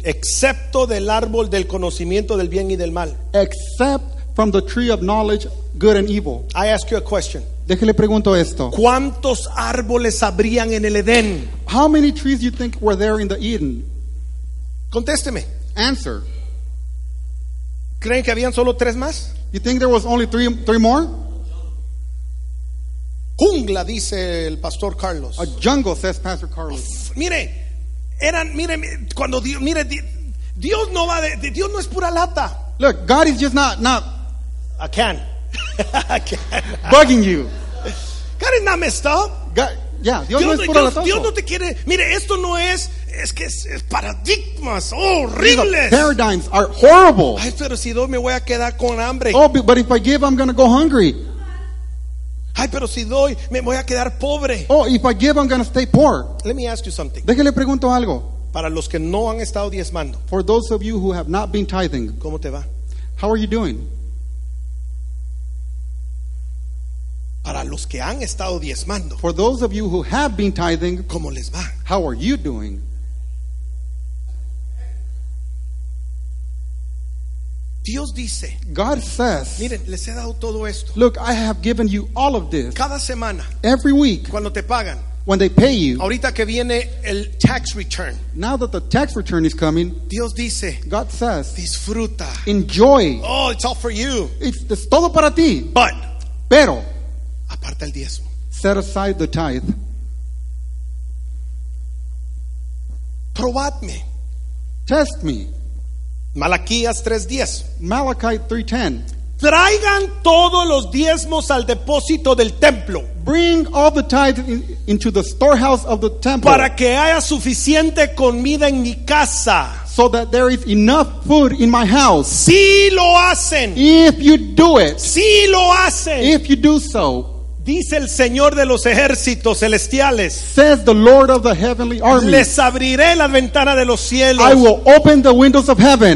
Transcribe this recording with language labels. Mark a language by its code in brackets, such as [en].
[es] Excepto del árbol del conocimiento del bien y del mal. [en] Except from the tree of knowledge, good and evil. I ask you a question. [es] Déjale pregunto esto. ¿Cuántos árboles habrían en el Edén? [en] How many trees do you think were there in the Eden? [es] Contésteme. [en] Answer. [es] ¿Creen que habían solo tres más? [en] You think there was only three more? [es] Jungla, dice el pastor Carlos. [en] A jungle, says Pastor Carlos. Uf, [es] mire, eran, mire, cuando Dios, mire, Dios no va de Dios no es pura lata. [en] Look, God is just not a can. Bugging you. God is not messed up. Yeah, [es] Dios no te quiere. Mire, esto no es. Es que es paradigmas horribles. [en] These paradigms are horrible. [es] Ay, pero si doy, me voy a quedar con hambre. [en] Oh, but if I give, I'm going to go hungry. [es] Ay, pero si doy, me voy a quedar pobre. [en] Oh, if I give, I'm going to stay poor. Let me ask you something. [es] Déjale pregunto algo. Para los que no han estado diezmando. [en] For those of you who have not been tithing. [es] ¿Cómo te va? [en] How are you doing? [es] Para los que han estado diezmando. [en] For those of you who have been tithing, [es] ¿cómo les va? [en] How are you doing? [es] Dios dice, [en] God says, [es] miren, les he dado todo esto. [en] Look, I have given you all of this. [es] Cada semana. [en] Every week. [es] Cuando te pagan. [en] When they pay you. [es] Ahorita que viene el tax return. [en] Now that the tax return is coming. [es] Dios dice, [en] God says, [es] disfruta. [en] Enjoy. Oh, it's all for you. It's [es] todo para ti. [en] But. [es] Pero. Aparta el diezmo. [en] Set aside the tithe. [es] Probadme. [en] Test me. [es] Malaquías 3:10. [en] Malachi 3:10. [es] Traigan todos los diezmos al depósito del templo. [en] Bring all the tithe into the storehouse of the temple. [es] Para que haya suficiente comida en mi casa. [en] So that there is enough food in my house. [es] Si lo hacen. [en] If you do it. [es] Si lo hacen. [en] If you do so. [es] Dice el Señor de los ejércitos celestiales. [en] Says the Lord of the heavenly armies. [es] Les abriré la ventana de los cielos. [en] I will open the windows of heaven.